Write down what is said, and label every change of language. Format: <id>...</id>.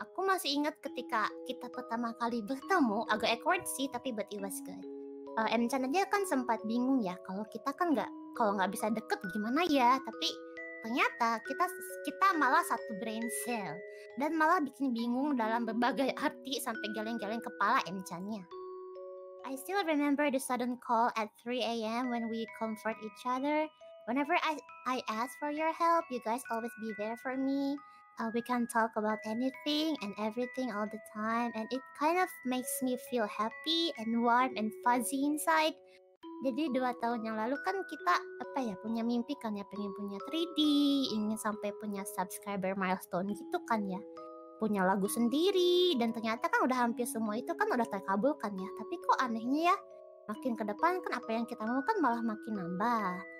<id>Aku masih ingat ketika kita pertama kali bertemu, agak awkward sih, tapi</id> <en>but it was good.</en> <id>M-chan aja kan sempat bingung ya, kalau kita kan gak bisa deket gimana ya. Tapi ternyata kita malah satu brain cell, dan malah bikin bingung dalam berbagai arti sampai geleng-geleng kepala M-chan-nya.</id> <en>I still remember the sudden call at 3 a.m. when we comfort each other. Whenever I ask for your help, you guys always be there for me. We can talk about anything and everything all the time, and it kind of makes me feel happy and warm and fuzzy inside.</en> <id>Jadi 2 tahun yang lalu kan kita apa ya punya mimpi kan ya, pengen punya 3D, ingin sampai punya subscriber milestone gitu kan ya, punya lagu sendiri, dan ternyata kan udah hampir semua itu kan udah terkabul kan ya. Tapi kok anehnya ya, makin ke depan kan apa yang kita mau kan malah makin nambah.</id>